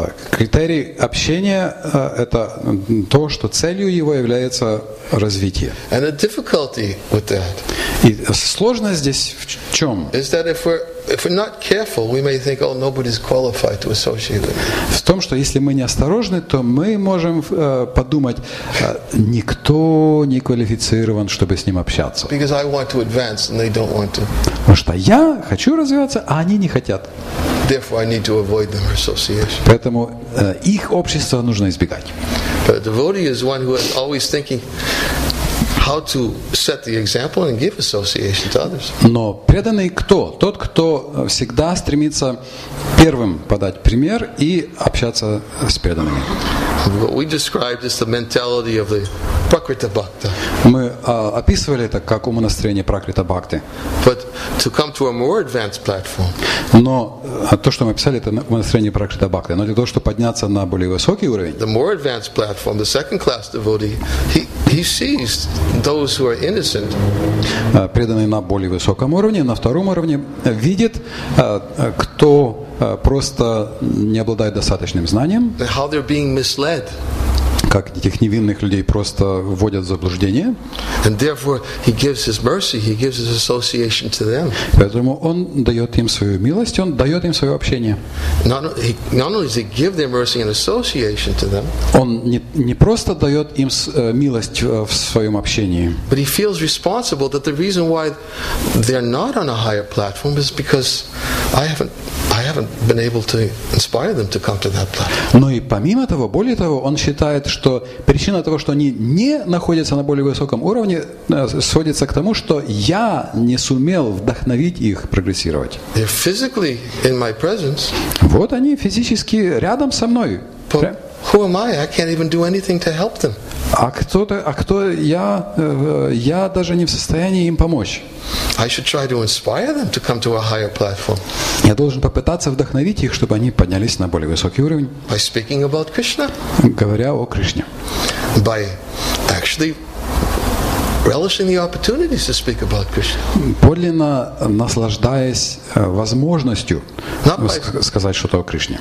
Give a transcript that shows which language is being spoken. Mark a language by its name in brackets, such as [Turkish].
[Russian] Критерий общения это то, что целью его является развитие. [English] And the difficulty with that. [Russian] И сложность здесь в чем? [English] Is that if we're not careful, we may think, oh, nobody's qualified to associate with me. [Russian] В том, что если мы неосторожны, то мы можем подумать, никто не квалифицирован, чтобы с ним общаться. [English] Because I want to advance and they don't want to. [Russian] Потому что я хочу развиваться, а они не хотят. [English] Therefore, I need to avoid their association. [Russian] Поэтому их общество нужно избегать. [English] But a devotee is one who is always thinking how to set the example and give association to others. [Russian] Но преданный кто? Тот, кто всегда стремится первым подать пример и общаться с преданными. [English] What we described is the mentality of the Prakrita Bhakta. [Russian] Мы описывали это как умонастроение Пракрита Бхакты. [English] But to come to a more advanced platform. [Russian] Но то, что мы писали, это умонастроение Пракрита Бхакты. Но для того, чтобы подняться на более высокий уровень. [English] The more advanced platform, the second class devotee, he sees those who are innocent. [Russian] Преданный на более высоком уровне, на втором уровне, видит, кто просто не обладает достаточным знанием. [English] How they're being misled. [Russian] Как этих невинных людей просто вводят в заблуждение. [English] And therefore he gives his mercy, he gives his association to them. [Russian] Поэтому он дает им свою милость, он дает им свое общение. [English] Not only does he give their mercy and association to them. [Russian] Он не просто дает им милость в своем общении. [English] But he feels responsible that the reason why they're not on a higher platform is because I haven't been able to inspire them to come to that platform. [Russian] Но и помимо того, более того, он считает, что причина того, что они не находятся на более высоком уровне, сводится к тому, что я не сумел вдохновить их прогрессировать. [English] They're physically in my presence. [Russian] Вот они физически рядом со мной. [English] But who am I? I can't even do anything to help them. [Russian] А кто я? Я даже не в состоянии им помочь. [English] I should try to inspire them to come to a higher platform. [Russian] Я должен попытаться вдохновить их, чтобы они поднялись на более высокий уровень. [English] By speaking about Krishna. [Russian] Говоря о Кришне. [English] By actually relishing the opportunities to speak about Krishna. [Russian] Подлинно наслаждаясь возможностью сказать что-то о Кришне.